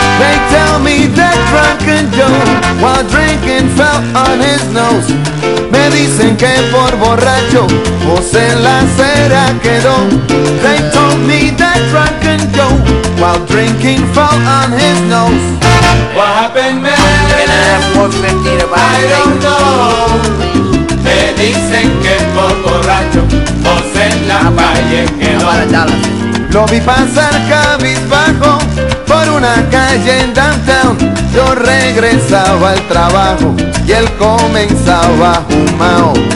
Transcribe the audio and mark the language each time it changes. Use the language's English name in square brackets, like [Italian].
[English] They tell me that drunken Joe while drinking fell on his nose. [Spanish] Me dicen que por borracho José en la acera quedó. [English] They told me that drunken Joe while drinking fell on his nose. What happened, man? I don't know. [Spanish] Me dicen que por borracho José en la calle quedó. Lo vi pasar cabizbajo por una calle en downtown. Yo regresaba al trabajo y él comenzaba a fumao.